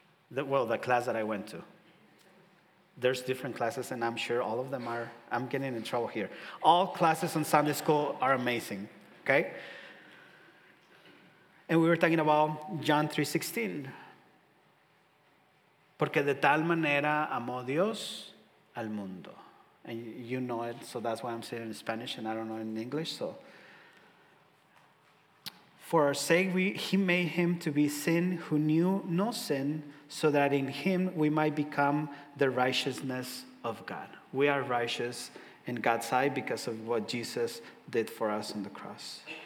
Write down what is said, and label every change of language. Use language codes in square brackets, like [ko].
[en] The class that I went to. There's different classes, and I'm sure all of them are. I'm getting in trouble here. All classes in Sunday school are amazing, okay? And we were talking about John 3:16. [es] Porque de tal manera amó Dios al mundo. [en] And you know it, so that's why I'm saying it in Spanish, and I don't know it in English, so. For our sake, he made him to be sin who knew no sin, so that in him we might become the righteousness of God. We are righteous in God's eye because of what Jesus did for us on the cross.